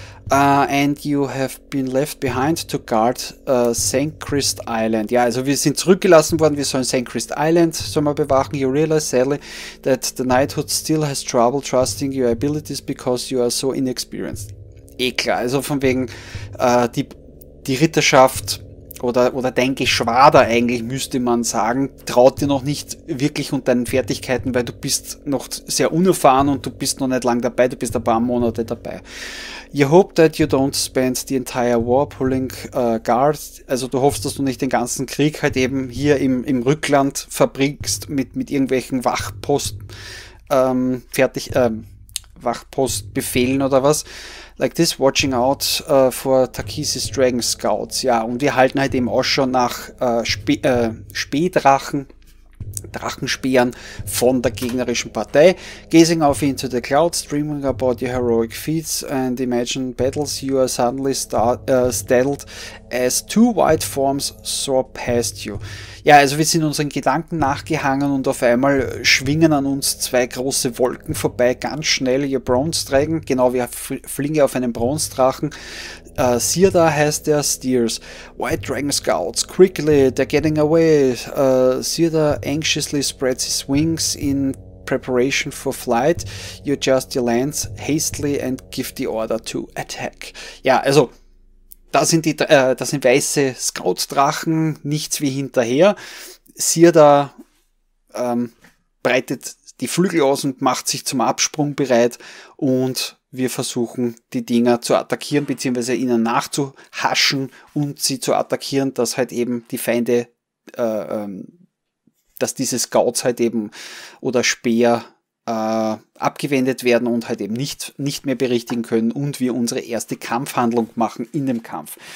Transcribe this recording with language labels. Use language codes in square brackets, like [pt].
[en] And you have been left behind to guard Sankrist Island. [de] Ja, also wir sind zurückgelassen worden. Wir sollen Sankrist Island sollen wir bewachen. [en] You realize sadly that the Knighthood still has trouble trusting your abilities because you are so inexperienced. [de] Eh klar, also von wegen die Ritterschaft oder dein Geschwader eigentlich, müsste man sagen, traut dir noch nicht wirklich und deinen Fertigkeiten, weil du bist noch sehr unerfahren und du bist noch nicht lang dabei, du bist ein paar Monate dabei. [en] You hope that you don't spend the entire war pulling guard. [de] Also du hoffst, dass du nicht den ganzen Krieg halt eben hier im Rückland verbringst mit irgendwelchen Wachpostbefehlen oder was. [en] Like this, watching out for Takisis Dragon Scouts. [de] Ja, und wir halten halt eben Ausschau nach Spähdrachen, Drachenspähern von der gegnerischen Partei. [en] Gazing off into the clouds, dreaming about your heroic feats and imagine battles, you are suddenly startled as two white forms soar past you. [de] Ja, also wir sind unseren Gedanken nachgehangen und auf einmal schwingen an uns zwei große Wolken vorbei, ganz schnell, ihr Bronze Dragon, genau wie Flinge auf einem Bronzdrachen. [en] Sirdar [de] heißt der, [en] Steers. White Dragon Scouts, quickly, they're getting away. Sirdar anxiously spreads his wings in preparation for flight. You adjust your lance hastily and give the order to attack. [de] Ja, also. Das sind weiße Scout-Drachen, nichts wie hinterher. Siehe da, breitet die Flügel aus und macht sich zum Absprung bereit. Und wir versuchen, die Dinger zu attackieren, beziehungsweise ihnen nachzuhaschen und sie zu attackieren, dass halt eben die Feinde, dass diese Scouts halt eben oder Speer abgewendet werden und halt eben nicht mehr berichtigen können und wir unsere erste Kampfhandlung machen in dem Kampf.